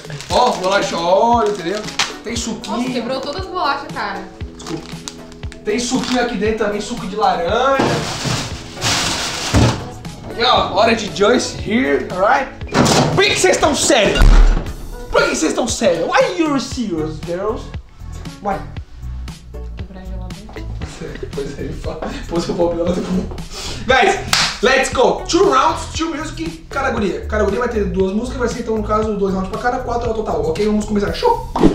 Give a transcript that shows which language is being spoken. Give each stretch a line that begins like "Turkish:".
Portuguese: Ó, oh, bolacha, olha, entendeu? Tem suquinho. Nossa, quebrou todas as bolachas, cara. Desculpa. Tem suquinho aqui dentro também, suco de laranja. Aqui, ó, hora de Joyce
English: here, alright?
Portuguese: Por que vocês estão sérios? Por que vocês estão sérios?
English: Why are you serious, girls? Why?
Portuguese: Quebrar a geladeira. Pois é, ele fala. Depois que eu vou abrir ela, eu
English: guys! Let's go! Two rounds, two music,
Portuguese: cada guria. Cada guria vai ter duas músicas, vai ser então, no caso, dois rounds pra cada, quatro ao total, ok? Vamos começar. Show!